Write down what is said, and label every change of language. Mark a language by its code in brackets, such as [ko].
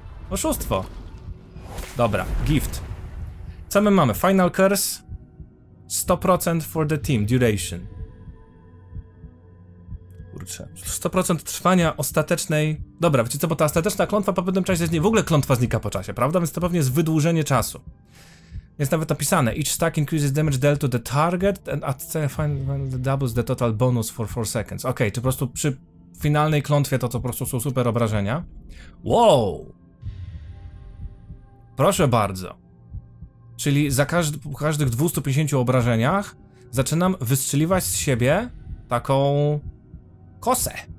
[pl] Oszustwo. Dobra, gift. Co my mamy? [en] Final curse? 100% for the team, duration. [pl] Kurczę, 100% trwania ostatecznej. Dobra, wiecie co, bo ta ostateczna klątwa po pewnym czasie znika. W ogóle klątwa znika po czasie, prawda? Więc to pewnie jest wydłużenie czasu. Jest nawet napisane: [en] each stack increases damage dealt to the target and at the final doubles the total bonus for 4 seconds. [pl] Okej, okay, czy po prostu przy finalnej klątwie to po prostu są super obrażenia? Wow! Proszę bardzo. Czyli za każdych 250 obrażeniach zaczynam wystrzeliwać z siebie taką kosę.